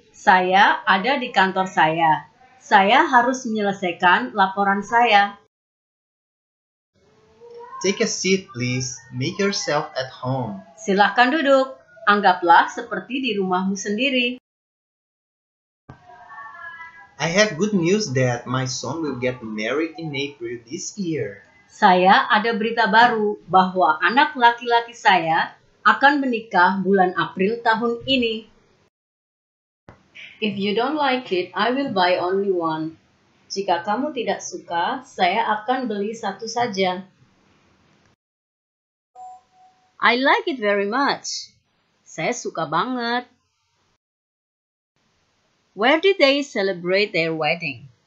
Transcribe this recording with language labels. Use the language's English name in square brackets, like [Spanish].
[Indonesian] Saya ada di kantor saya. Saya harus menyelesaikan laporan saya. [English] Take a seat, please. Make yourself at home. [Indonesian] Silakan duduk. Anggaplah seperti di rumahmu sendiri. [English] I have good news that my son will get married in April this year. [Indonesian] Saya ada berita baru bahwa anak laki-laki saya akan menikah bulan April tahun ini. [English] If you don't like it, I will buy only one. [Indonesian] Jika kamu tidak suka, saya akan beli satu saja. [English] I like it very much. [Indonesian] Saya suka banget. [English] Where did they celebrate their wedding?